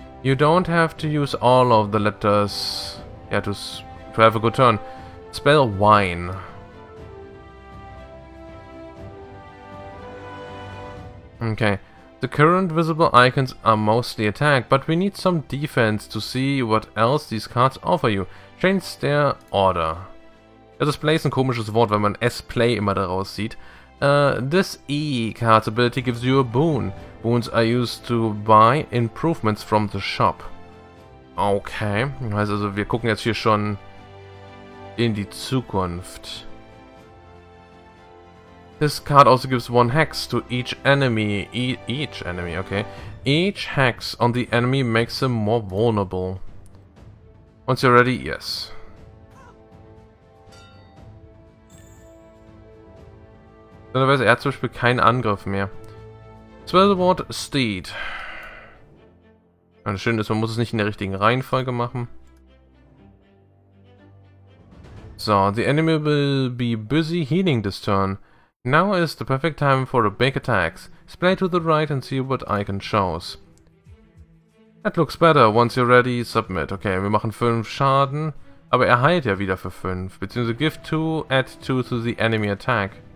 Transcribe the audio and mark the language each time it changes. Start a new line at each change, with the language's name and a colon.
English: You don't have to use all of the letters, yeah, to have a good turn. Spell Wine. Okay, the current visible icons are mostly attack, but we need some defense to see what else these cards offer you. Change their order.
German: Ja, das Play ist ein komisches Wort, wenn man S-Play immer daraus sieht.
English: This E-Card's ability gives you a boon. Boons are used to buy improvements from the shop.
German: Okay, heißt also, wir gucken jetzt hier schon in die Zukunft.
English: This card also gives 1 hex to each enemy. Each enemy, okay. Each hex on the enemy makes him more vulnerable. Once you're ready, yes.
German: Normalerweise hat er zum Beispiel keinen Angriff mehr.
English: Spell the word Steed.
German: Das Schöne ist, man muss es nicht in der richtigen Reihenfolge machen.
English: So, the enemy will be busy healing this turn. Now is the perfect time for a big attack. Splay to the right and see what icon shows. That looks better. Once you're ready, submit. Okay,
German: wir machen 5 Schaden. Aber er heilt ja wieder für 5. Beziehungsweise
English: give 2, add 2 to the enemy attack.